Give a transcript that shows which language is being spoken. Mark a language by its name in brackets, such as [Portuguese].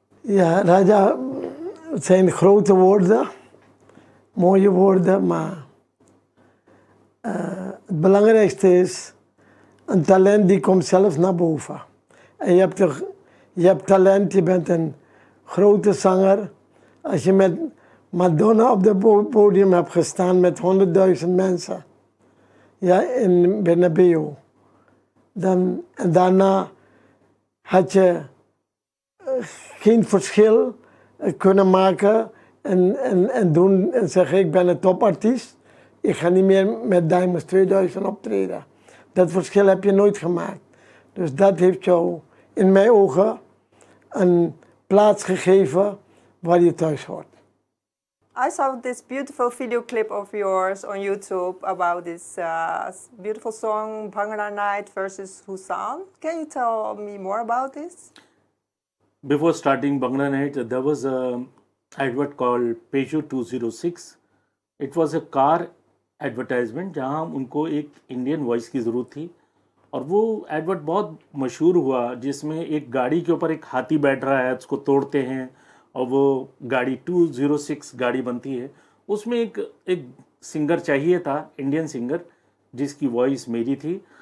[Dutch] या राजा सैन खरोच अवार्ड दा मोय अवार्ड दा मा बलंगरेस्ट इज एन टैलेंट दी कम सेल्फ ना बोफा एंड यू हैव टैलेंट, यू बेंट एन ग्रोटे सिंगर। Als je met Madonna op het podium hebt gestaan met 100.000 mensen, ja, in Bernabeu, dan en daarna had je geen verschil kunnen maken en doen en zeggen ik ben een topartiest, ik ga niet meer met Diamonds 2000 optreden. Dat verschil heb je nooit gemaakt. Dus dat heeft jou in mijn ogen een plaats gegeven waar je thuis hoort. [English] I saw this beautiful video clip of yours on YouTube about this beautiful song Bhangra Night versus Husan. Can you tell me more about this? Before starting Bhangra Night, there was an advert called Peugeot 206. It was a car advertisement [Hindi] जहाँ उनको एक Indian voice की ज़रूरत थी, और वो advert बहुत मशहूर हुआ, जिसमें एक गाड़ी के ऊपर एक हाथी बैठ रहा है, उसको तोड़ते हैं और वो गाड़ी 206 गाड़ी बनती है। उसमें एक सिंगर चाहिए था, इंडियन सिंगर, जिसकी वॉइस मेरी थी।